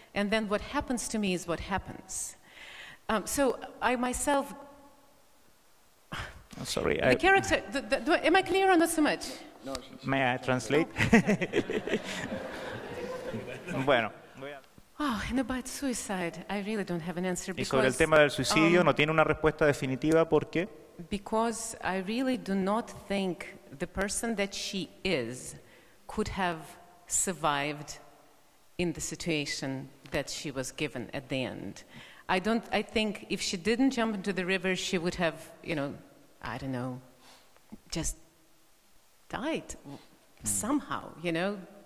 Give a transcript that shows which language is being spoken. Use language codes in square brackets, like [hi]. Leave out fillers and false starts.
[en] And then what happens to me is what happens. So I myself. Oh, sorry. The character. Am I clear or not so much? No. May I translate? [es] Bueno. [en] Oh, and about suicide, I really don't have an answer. [es] Y sobre el tema del suicidio, no tiene una respuesta definitiva. ¿Por qué? [en] Because I really do not think the person that she is could have survived in the situation that she was given at the end. I think if she didn't jump into the river, she would have, you know, I don't know, just died somehow, you know.